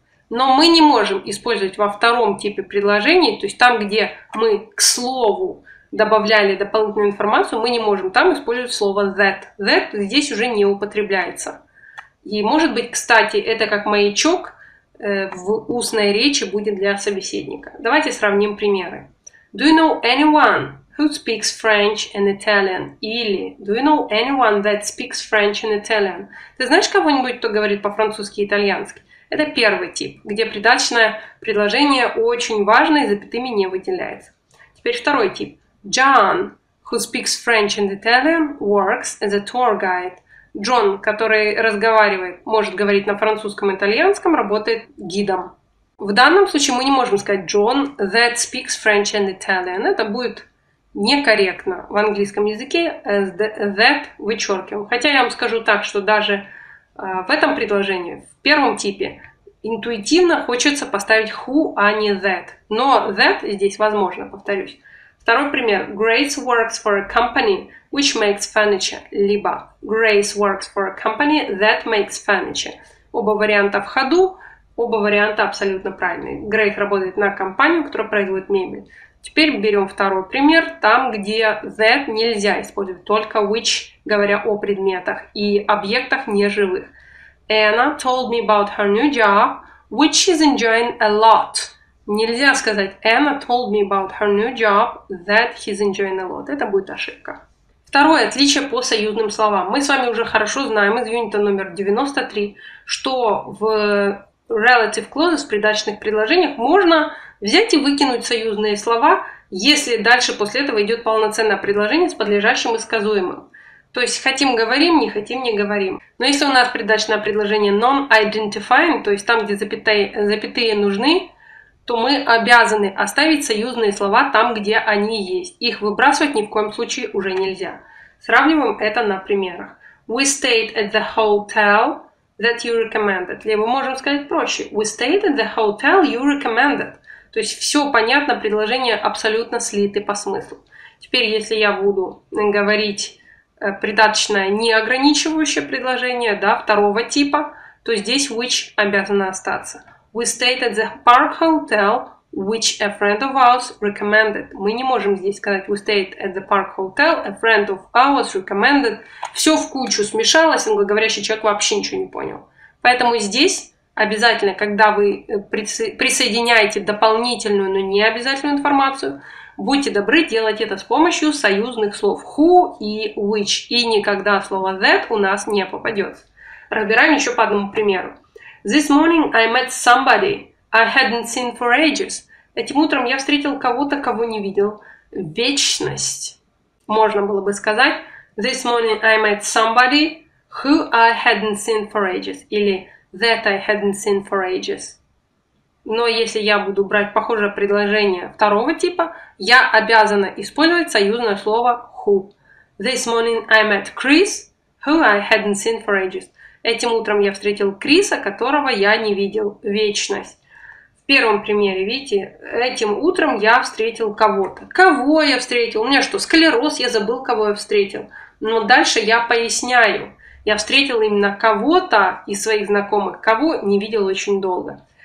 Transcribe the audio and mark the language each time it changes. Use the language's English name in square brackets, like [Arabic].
[Russian] Но мы не можем использовать во втором типе предложений, то есть там, где мы к слову добавляли дополнительную информацию, мы не можем там использовать слово that. That здесь уже не употребляется. И может быть, кстати, это как маячок в устной речи будет для собеседника. Давайте сравним примеры. [English] Do you know anyone who speaks French and Italian? [Russian] Или [English] do you know anyone that speaks French and Italian? [Russian] Ты знаешь кого-нибудь, кто говорит по-французски и итальянски? Это первый тип, где придаточное предложение очень важно и запятыми не выделяется. Теперь второй тип. John, [English] who speaks French and Italian, works as a tour guide. [Russian] Джон, который разговаривает, может говорить на французском и итальянском, работает гидом. В данном случае мы не можем сказать [English] John that speaks French and Italian. [Russian] Это будет некорректно в английском языке, as that вычеркиваем. Хотя я вам скажу так, что даже в этом предложении, в первом типе, интуитивно хочется поставить who, а не that. Но that здесь возможно, повторюсь. Второй пример. [English] Grace works for a company which makes furniture. [Russian] Либо [English] Grace works for a company that makes furniture. [Russian] Оба варианта в ходу, оба варианта абсолютно правильные. Грейс работает на компанию, которая производит мебель. Теперь берем второй пример. Там, где that нельзя использовать, только which, говоря о предметах и объектах неживых. [English] Anna told me about her new job, which she's enjoying a lot. [Russian] Нельзя сказать [English] Anna told me about her new job that he's enjoying a lot. [Russian] Это будет ошибка. Второе отличие по союзным словам. Мы с вами уже хорошо знаем из юнита номер 93, что в relative clauses, в придачных предложениях, можно взять и выкинуть союзные слова, если дальше после этого идет полноценное предложение с подлежащим и сказуемым. То есть хотим говорим, не хотим не говорим. Но если у нас придачное предложение non-identifying, то есть там, где запятые нужны, то мы обязаны оставить союзные слова там, где они есть. Их выбрасывать ни в коем случае уже нельзя. Сравниваем это на примерах. [English] We stayed at the hotel that you recommended. [Russian] Либо можем сказать проще. [English] We stayed at the hotel you recommended. [Russian] То есть все понятно, предложения абсолютно слиты по смыслу. Теперь, если я буду говорить придаточное неограничивающее предложение, да, второго типа, то здесь which обязано остаться. [English] We stayed at the Park Hotel, which a friend of ours recommended. [Russian] Мы не можем здесь сказать [English] we stayed at the Park Hotel, a friend of ours recommended. [Russian] Все в кучу смешалось, англоговорящий человек вообще ничего не понял. Поэтому здесь обязательно, когда вы присоединяете дополнительную, но не обязательную информацию, будьте добры делать это с помощью союзных слов who и which. И никогда слово that у нас не попадет. Разбираем еще по одному примеру. [English] This morning I met somebody I hadn't seen for ages. [Russian] Этим утром я встретил кого-то, кого не видел. Вечность. Можно было бы сказать. [English] This morning I met somebody who I hadn't seen for ages. [Russian] Или [English] that I hadn't seen for ages. [Russian] Но если я буду брать похожее предложение второго типа, я обязана использовать союзное слово who. [English] This morning I met Chris who I hadn't seen for ages. [Russian] Этим утром я встретил Криса, которого я не видел. Вечность. В первом примере, видите, этим утром я встретил кого-то. Кого я встретил? У меня что, склероз? Я забыл, кого я встретил. Но дальше я поясняю. Я встретил именно кого-то из своих знакомых, кого не видел очень долго.